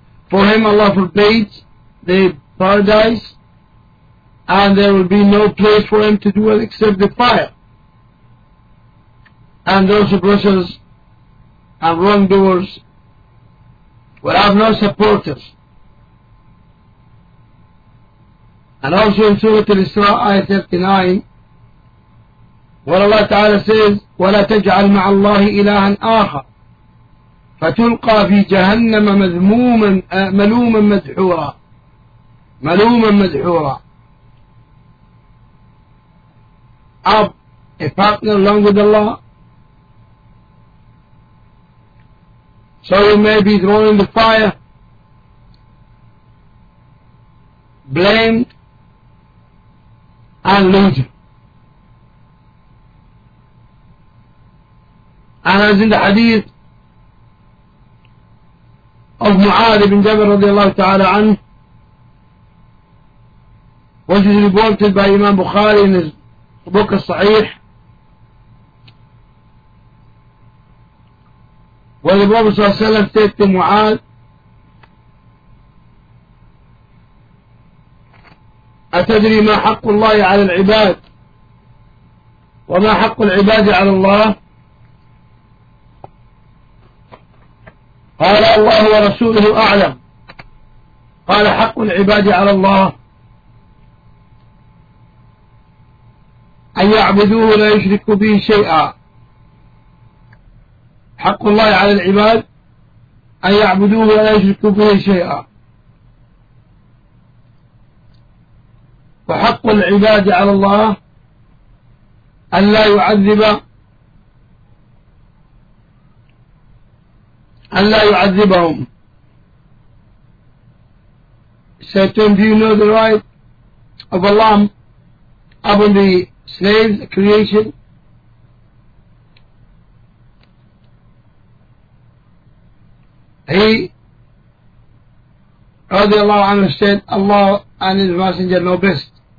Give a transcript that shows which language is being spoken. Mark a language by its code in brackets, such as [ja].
[en] For him Allah forbade the paradise, and there will be no place for him to dwell except the fire. And those oppressors and wrongdoers will have no supporters. And also in Surah Al-Isra, ayah 39, where Allah Ta'ala says, [ar] وَلَا تَجْعَلْ مَعَ اللَّهِ إِلَهًا آخَرَ فَتُلْقَى فِي جَهَنَّمَ مَذْمُومًا مَلُومًا مَدْحُورًا مَلُومًا مَدْحُورًا. [en] Have a partner along with Allah, so you may be thrown in the fire, blamed and looted. And as in the hadith of Mu'adh ibn Jabir radiallahu ta'ala anhu, which is reported by Imam Bukhari in his book As-Sahih, where the Prophet sallallahu alayhi wa sallam said to Mu'adh, [ar] أتدري ما حق الله على العباد وما حق العباد على الله؟ قال الله ورسوله أعلم. قال حق العباد على الله أن يعبدوه لا يشركوا به شيئا حق الله على العباد أن يعبدوه ولا يشركوا به شيئا، وحق العباد على الله أن لا يعذب أن لا يعذبهم. [en] Certain, do you know the right of Allah upon the slaves, creation? He, radiallahu anhu, said, Allah and His Messenger know best.